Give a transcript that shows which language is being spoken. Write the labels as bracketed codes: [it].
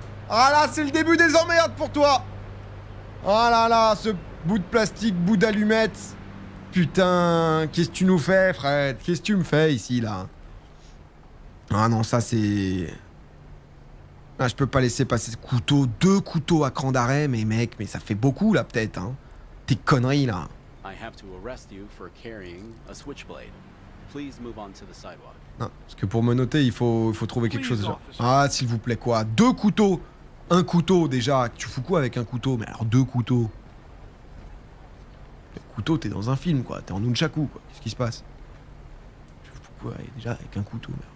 [fr] Ah là, c'est le début des emmerdes pour toi. Ah là là, ce bout de plastique, bout d'allumette. Putain, qu'est-ce que tu nous fais, Fred? Qu'est-ce que tu me fais ici, là? Ah non, ça, c'est... Ah, je peux pas laisser passer ce couteau, deux couteaux à cran d'arrêt, mais mec, mais ça fait beaucoup là, peut-être, hein. Tes conneries, là. [en] I have to arrest you for carrying a switchblade. Please move on to the sidewalk. [fr] Non, parce que pour me noter, il faut trouver quelque chose, genre. Ah, s'il vous plaît, quoi? Deux couteaux! Un couteau, déjà. Tu fous quoi avec un couteau? Mais alors, deux couteaux. Le couteau, t'es dans un film, quoi. T'es en Nunchaku, quoi. Qu'est-ce qui se passe? Tu fous quoi, déjà, avec un couteau, merde.